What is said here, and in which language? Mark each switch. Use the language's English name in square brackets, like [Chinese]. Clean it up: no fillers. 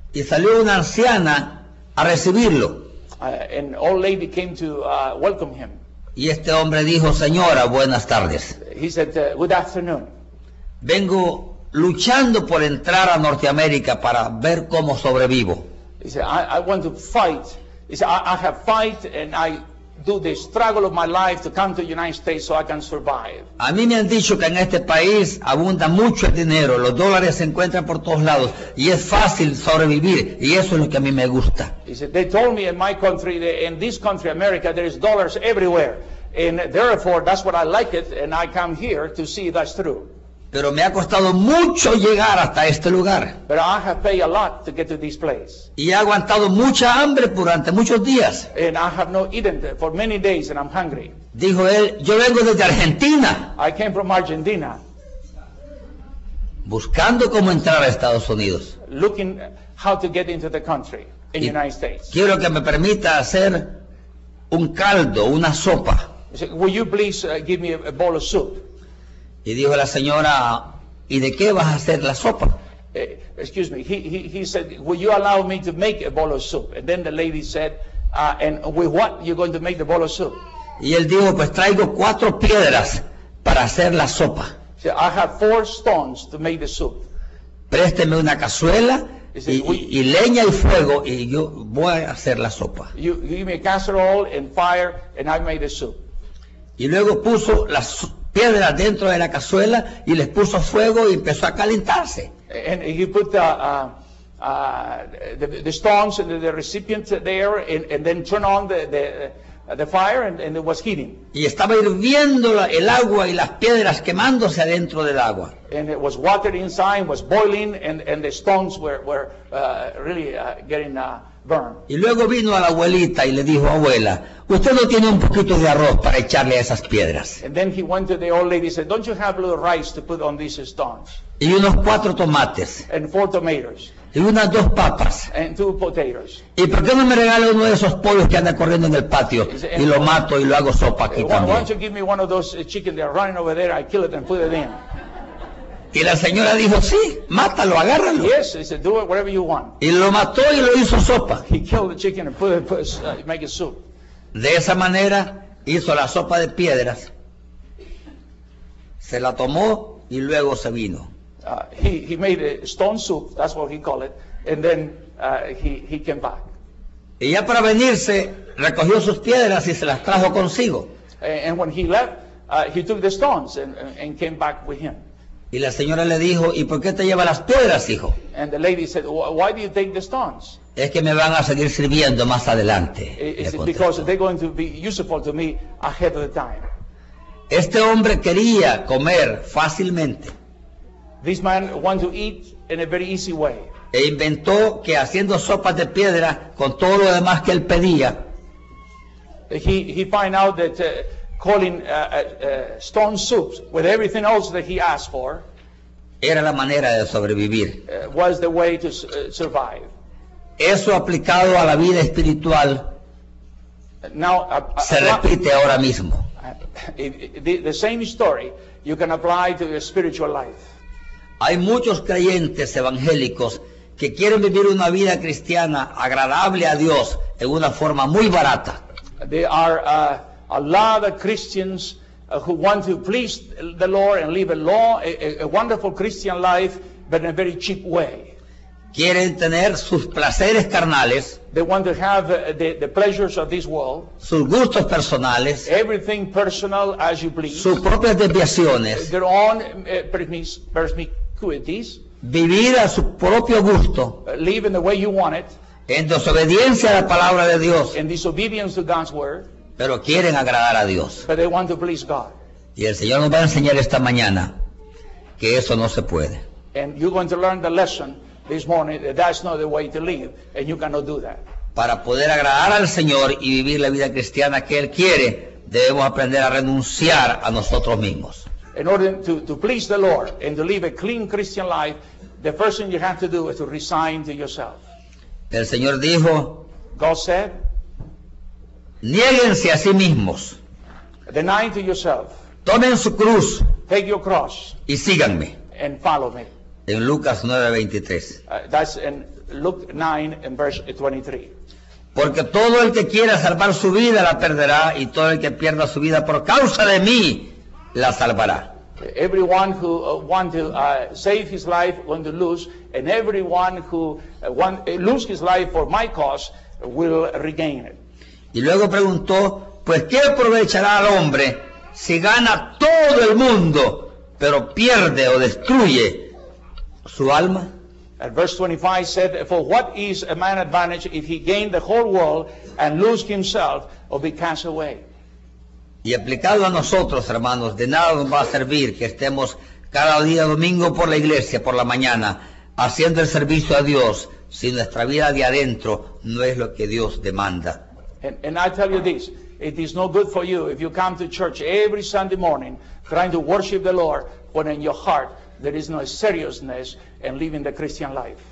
[Spanish] Y salió una anciana a recibirlo. [English] An old lady came to welcome him. [Spanish] Y este hombre dijo, señora, buenas tardes. [English] He said, good afternoon. [Spanish] Vengo luchando por entrar a Norteamérica para ver cómo sobrevivo. [English] He said, I want to fight. He said, I have fight and I do the struggle of my life to come to the United States so I can survive. [Spanish] A mí me han dicho que en este país abunda mucho el dinero, los dólares se encuentran por todos lados y es fácil sobrevivir y eso es lo que a mí me gusta. [English] He said, they told me in my country, in this country, America, there is dollars everywhere and therefore that's what I like it and I come here to see if that's true. [Spanish] Pero me ha costado mucho llegar hasta este lugar. [English] But I have paid a lot to get to this place. [Spanish] Y he aguantado mucha hambre durante muchos días. [English] And I have not eaten for many days and I'm hungry. [Spanish] Dijo él, yo vengo desde Argentina. [English] I came from Argentina. [Spanish] Buscando cómo entrar a Estados Unidos. [English] Looking how to get into the country in the United States. [Spanish] Quiero que me permita hacer un caldo, una sopa. [English] Will you please give me a bowl of soup? [Spanish] Y dijo la señora, ¿y de qué vas a hacer la sopa? [English] Excuse me, he said, will you allow me to make a bowl of soup? And then the lady said, and with what are you going to make the bowl of soup? [Spanish] Y él dijo, pues traigo cuatro piedras para hacer la sopa. [English] He said, I have four stones to make the soup. [Spanish] Présteme una cazuela y leña y fuego y yo voy a hacer la sopa. [English] You give me a casserole and fire and I make the soup. [Spanish] Y luego puso la piedras dentro de la cazuela y les puso fuego y empezó a calentarse. [English] And he put the stones in the recipient there and then turn on the fire and it was heating. [Spanish] Y estaba hirviendo el agua y las piedras quemándose adentro del agua. [English] And it was water inside, was boiling and the stones were really getting burned. [Spanish] Y luego vino a la abuelita y le dijo, abuela, usted no tiene un poquito de arroz para echarle a esas piedras. [English] And then he went to the old lady and said, don't you have a little rice to put on these stones? [Spanish] Y unos cuatro tomates. [English] And four tomatoes. [Spanish] Y unas dos papas. [English] And two potatoes. [Spanish] ¿Y por qué no me regala uno de esos pollos que anda corriendo en el patio? Y lo mato y lo hago sopa aquí también. [English] Why don't you give me one of those chickens that are running over there, I kill it and put it in. [Spanish] Y la señora dijo, sí, mátalo, agárralo. [English] Yes, he said, do it whatever you want. [Spanish] Y lo mató y lo hizo sopa. [English] He killed the chicken and make it soup. [Spanish] De esa manera hizo la sopa de piedras. Se la tomó y luego se vino. [English] He made a stone soup, that's what he called it, and then he came back. [Spanish] Y ya para venirse, recogió sus piedras y se las trajo consigo. [English] And when he left, he took the stones and came back with him. [Spanish] Y la señora le dijo, ¿y por qué te lleva las piedras, hijo? [English] And the lady said, why do you take the stones? [Spanish] Es que me van a seguir sirviendo más adelante. [English] It's because they're going to be useful to me ahead of the time. [Spanish] Este hombre quería comer fácilmente. [English] This man wanted to eat in a very easy way. [Spanish] E inventó que haciendo sopas de piedra con todo lo demás que él pedía. [English] He find out that calling stone soups with everything else that he asked for [Spanish] era la manera de sobrevivir. [English] Was the way to survive. [Spanish] Eso aplicado a la vida espiritual se repite ahora mismo. [English] The same story you can apply to your spiritual life. [Spanish] Hay muchos creyentes evangélicos que quieren vivir una vida cristiana agradable a Dios en una forma muy barata. [English] There are a lot of Christians who want to please the Lord and live a wonderful Christian life, but in a very cheap way. [Spanish] Quieren tener sus placeres carnales. [English] They want to have the pleasures of this world. [Spanish] Sus gustos personales. [English] Everything personal as you please. [Spanish] Sus propias desviaciones. [English] Their own permiscuities. [Spanish] Vivir a su propio gusto. [English] Live in the way you want it. [Spanish] En desobediencia a la palabra de Dios. [English] In disobedience to God's word. [Spanish] Pero quieren agradar a Dios. [English] But they want to please God. [Spanish] Y el Señor nos va a enseñar esta mañana que eso no se puede. [English] And you're going to learn the lesson this morning, that's not the way to live, and you cannot do that. [Spanish] Para poder agradar al Señor y vivir la vida cristiana que Él quiere, debemos aprender a renunciar a nosotros mismos. [English] In order to please the Lord and to live a clean Christian life, the first thing you have to do is to resign to yourself. [Spanish] El Señor dijo, [English] God said, [Spanish] niéguense a sí mismos. [English] Deny to yourself. [Spanish] Tomen su cruz. [English] Take your cross. [Spanish] Y síganme. [English] And follow me. [Spanish] En Lucas 9:23. [English] That's in Luke 9 and verse 23. [Spanish] Porque todo el que quiera salvar su vida la perderá, y todo el que pierda su vida por causa de mí la salvará. [English] Everyone who want to save his life going to lose, and everyone who want lose his life for my cause will regain it. [Spanish] Y luego preguntó, pues ¿qué aprovechará al hombre si gana todo el mundo pero pierde o destruye su alma? [English] And verse 25 said, for what is a man advantage if he gain the whole world and lose himself or be cast away? [Spanish] Y aplicado a nosotros, hermanos, de nada nos va a servir que estemos cada día domingo por la iglesia, por la mañana, haciendo el servicio a Dios, si nuestra vida de adentro no es lo que Dios demanda. [English] And I tell you this, it is no good for you if you come to church every Sunday morning trying to worship the Lord when in your heart there is no seriousness in living the Christian life.